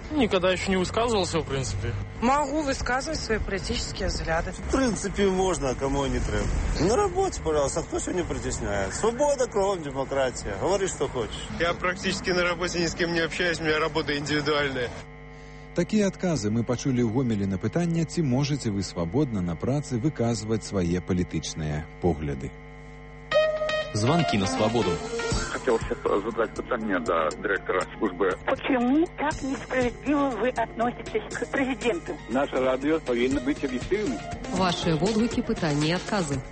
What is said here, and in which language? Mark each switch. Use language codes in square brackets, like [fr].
[ru] Никогда еще не высказывался, в принципе. Могу высказывать свои политические взгляды. В принципе, можно, кому они требуют. На работе, пожалуйста, кто сегодня притесняет? Свобода, кровь, демократия. Говори, что хочешь. Я практически на работе ни с кем не общаюсь, у меня работа индивидуальная. [be] Такія адказы мы пачулі ў Гомелі на пытанне, ці можаце вы свабодна на працы выказваць свае палітычныя погляды. Званкі на свабоду. [ru] Хотел сейчас задать пытание до директора службы. Почему так несправедливо вы относитесь к президенту? Наше радио должно быть объективным. Ваши отзывы, пытания и отказы.